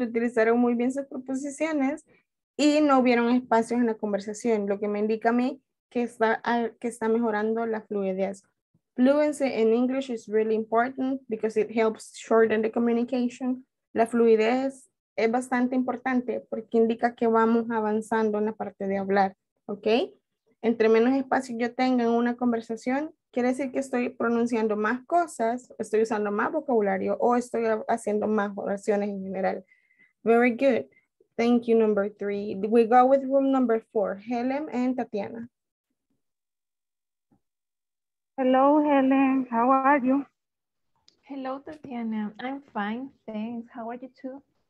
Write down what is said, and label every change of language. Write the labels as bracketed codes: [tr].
[es] Utilizaron muy bien sus proposiciones y no vieron espacios en la conversación, lo que me indica a mí que está mejorando la fluidez. [en] Fluency in English is really important because it helps shorten the communication. [es] La fluidez es bastante importante porque indica que vamos avanzando en la parte de hablar, ¿ok? Entre menos espacio yo tenga en una conversación, quiere decir que estoy pronunciando más cosas, estoy usando más vocabulario o estoy haciendo más oraciones en general. [en] Very good. Thank you, number three. We go with room number four, Helen and Tatiana. Hello, Helen. How are you? Hello, Tatiana. I'm fine, thanks. How are you too?